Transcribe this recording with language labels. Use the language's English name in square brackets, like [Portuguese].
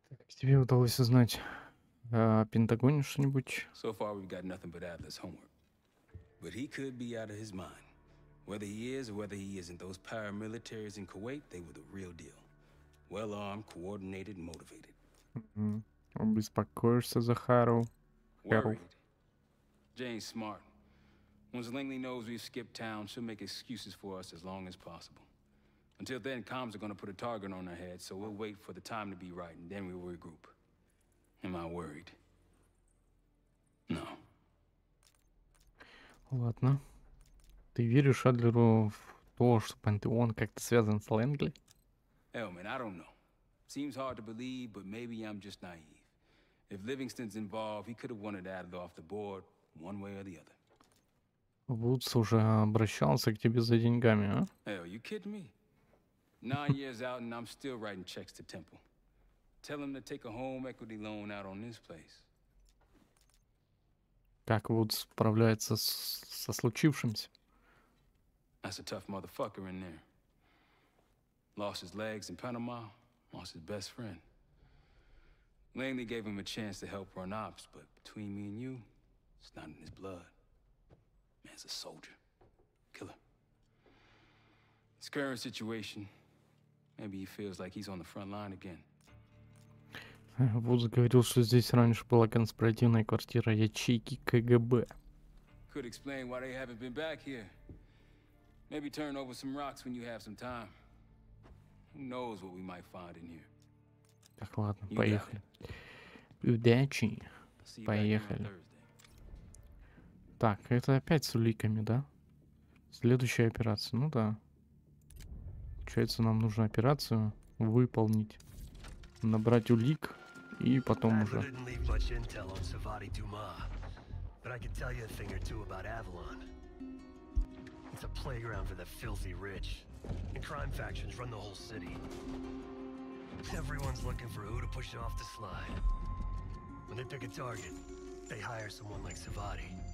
[Russian] Тебе удалось узнать о Пентагоне что-нибудь? [English] So far we've got nothing but Adler's homework. But he could be out of his mind. Whether he is or whether he isn't, those paramilitaries in Kuwait, they were the real deal. Well-armed, coordinated, motivated. Mm-hmm. [Russian] Обеспокоился за Харроу. [English] Worried. Jane's smart. Once Langley knows we've skipped town, she'll make excuses for us as long as possible. Until then, comms are gonna put a target on our head, so we'll wait for the time to be right, and then we'll regroup. Am I worried? No. [Russian] Ладно. Ты веришь Адлеру в то, что Пантеон как-то связан с Лэнгли? [English] Элмен, I don't know. Seems hard to believe, but maybe I'm just naive. If Livingston's involved, he could have wanted Adler off the board one way or the other. [Russian] Вудс уже обращался к тебе за деньгами, а? [English] Hey, are you kidding me? 9 years out and I'm still writing checks to Temple. Tell him to take a home equity loan out on this place. [Russian] Как Вудс справляется со случившимся? [English] That's a tough motherfucker in there. Lost his legs in Panama, lost his best friend. Langley gave him a chance to help run ops, but between me and you, it's not in his blood. Man's a soldier. Killer. His current situation, maybe he feels like he's on the front line again. [Russian] Вудс говорил, что здесь раньше была конспиративная квартира ячейки КГБ. [English] Could explain why they haven't been back here. Maybe turn over some rocks when you have some time. Who knows what we might find in here. [Russian] Так, ладно, you поехали. Удачи. Поехали. Так, это опять с уликами, да? Следующая операция, ну да. Получается, нам нужно операцию выполнить. Набрать улик. И потом уже. [English] I didn't leave much intel on Savadi Dumas, but I could tell you a thing or two about Avalon. It's a playground for the filthy rich, and crime factions run the whole city. Everyone's looking for who to push off the slide. When they pick a target, they hire someone like Savadi.